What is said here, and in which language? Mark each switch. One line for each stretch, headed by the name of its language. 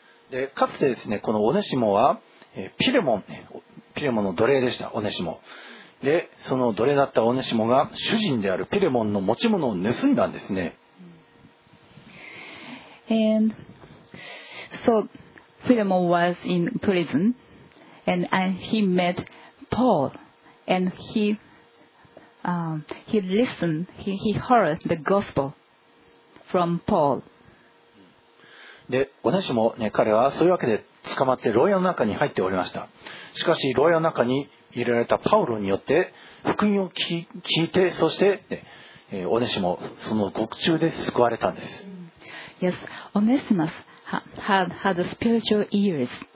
Japanese: でかつてですね、このオネシモはピレモンの奴隷でした。オネシモで、その奴隷だったオネシモが主人であるピレモンの持ち物を盗んだんですね。
English: And so Philemon was in prison and he met Paul and he heard the gospel from Paul.
Japanese: で、オネシモ、ね、彼はそういうわけで捕まって牢屋の中に入っておりました。しかし牢屋の中に入れられたパウロによって福音を聞いて、そして、ね、オネシモその獄中で救われたんです。
English: Yes, Onesimus had spiritual ears.